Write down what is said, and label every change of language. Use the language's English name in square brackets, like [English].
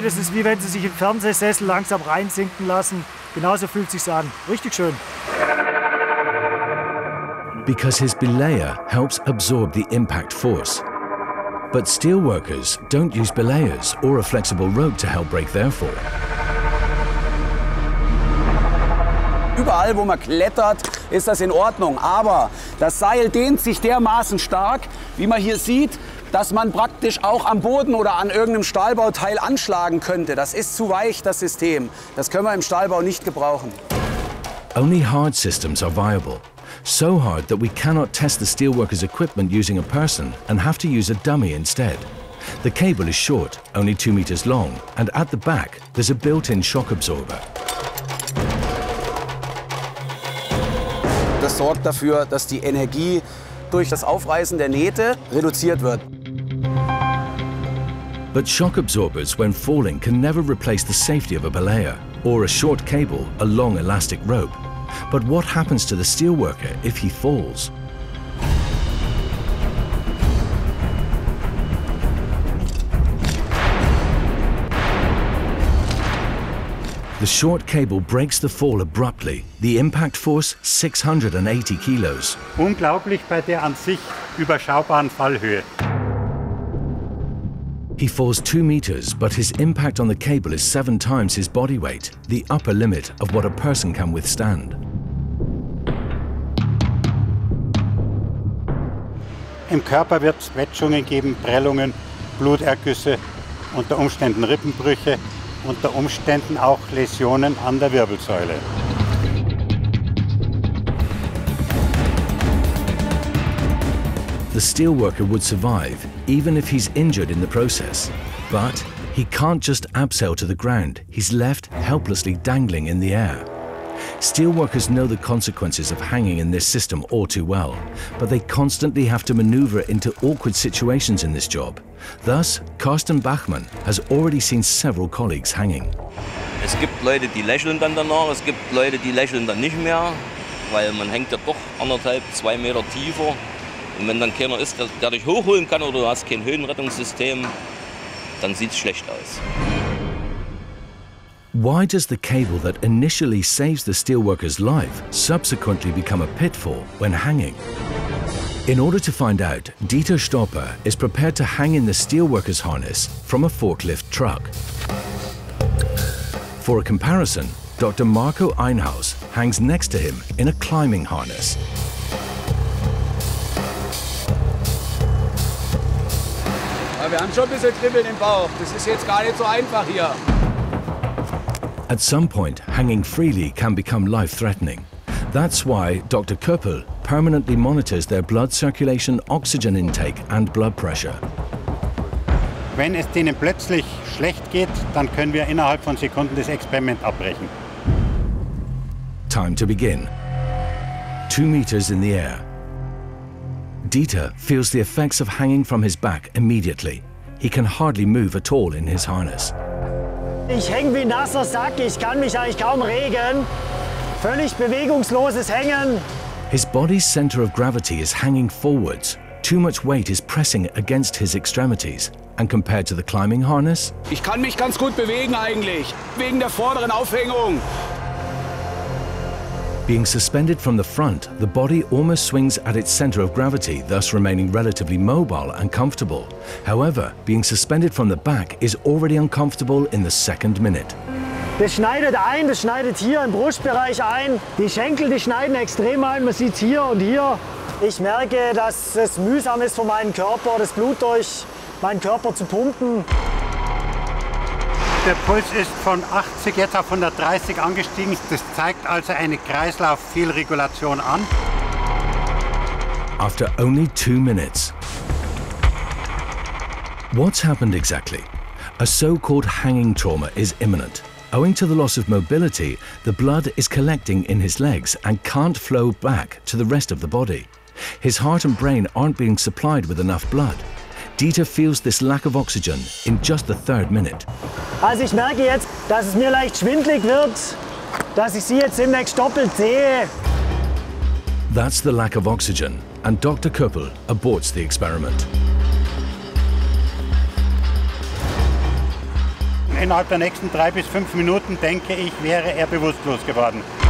[German] Das ist wie wenn Sie sich im Fernsehsessel langsam reinsinken lassen. Genauso fühlt sich's an. Richtig schön. [English] Because his belayer helps absorb the impact force. But steelworkers don't use belayers or a flexible rope to help break their fall. [German] Überall, wo man klettert, ist das in Ordnung. Aber das Seil dehnt sich dermaßen stark, wie man hier sieht, dass man praktisch auch am Boden oder an irgendeinem Stahlbauteil anschlagen könnte. Das ist zu weich, das System. Das können wir im Stahlbau nicht gebrauchen. [English] Only hard systems are viable. So hard that we cannot test the steelworker's equipment using a person and have to use a dummy instead. The cable is short, only 2 meters long, and at the back, there's a built-in shock absorber. [German] Das sorgt dafür, dass die Energie durch das Aufreißen der Nähte reduziert wird. [English] But shock absorbers when falling can never replace the safety of a belayer or a short cable, a long elastic rope. But what happens to the steelworker if he falls? The short cable breaks the fall abruptly. The impact force 680 kilos. [German] Unglaublich bei der an sich überschaubaren Fallhöhe. [English] He falls 2 meters, but his impact on the cable is 7 times his body weight, the upper limit of what a person can withstand. [German] Im Körper wird es Quetschungen geben, Prellungen, Blutergüsse, unter Umständen Rippenbrüche. Unter Umständen auch Läsionen an der Wirbelsäule. [English] The steelworker would survive, even if he's injured in the process. But he can't just abseil to the ground, he's left helplessly dangling in the air. Steelworkers know the consequences of hanging in this system all too well, but they constantly have to maneuver into awkward situations in this job. Thus, Carsten Bachmann has already seen several colleagues hanging. [German] Es gibt Leute, die lächeln dann danach, es gibt Leute, die lächeln dann nicht mehr, weil man hängt ja doch anderthalb, zwei Meter tiefer. Und wenn dann keiner ist, der dich hochholen kann oder du hast kein Höhenrettungssystem, dann sieht's schlecht aus. [English] Why does the cable that initially saves the steelworker's life subsequently become a pitfall when hanging? In order to find out, Dieter Stopper is prepared to hang in the steelworker's harness from a forklift truck. For a comparison, Dr. Marco Einhaus hangs next to him in a climbing harness. [German] Wir haben schon ein bisschen Kribbeln im Bauch. Das ist jetzt gar nicht so einfach hier. [English] At some point, hanging freely can become life-threatening. That's why Dr. Kuppel permanently monitors their blood circulation, oxygen intake and blood pressure. [German] Wenn es denen plötzlich schlecht geht, dann können wir innerhalb von Sekunden das Experiment abbrechen. [English] Time to begin. 2 meters in the air. Dieter feels the effects of hanging from his back immediately. He can hardly move at all in his harness. [German] Ich hänge wie nasser Sack, ich kann mich eigentlich kaum regen. Völlig bewegungsloses Hängen. [English] His body's center of gravity is hanging forwards. Too much weight is pressing against his extremities. And compared to the climbing harness? [German] Ich kann mich ganz gut bewegen eigentlich, wegen der vorderen Aufhängung. [English] Being suspended from the front, the body almost swings at its center of gravity, thus remaining relatively mobile and comfortable. However, being suspended from the back is already uncomfortable in the second minute. [German] Das schneidet ein, das schneidet hier im Brustbereich ein. Die Schenkel, die schneiden extrem ein, man sieht es hier und hier. Ich merke, dass es mühsam ist für meinen Körper, das Blut durch meinen Körper zu pumpen. Der Puls ist von 80 jetzt auf 130 angestiegen. Das zeigt also eine Kreislauffehlregulation an. [English] After only 2 minutes. What's happened exactly? A so-called hanging trauma is imminent. Owing to the loss of mobility, the blood is collecting in his legs and can't flow back to the rest of the body. His heart and brain aren't being supplied with enough blood. Dieter feels this lack of oxygen in just the third minute. [German] Also ich merke jetzt, dass es mir leicht schwindelig wird, dass ich sie jetzt demnächst doppelt sehe. [English] That's the lack of oxygen, and Dr. Köppel aborts the experiment. [German] Innerhalb der nächsten 3 bis 5 Minuten, denke ich, wäre bewusstlos geworden.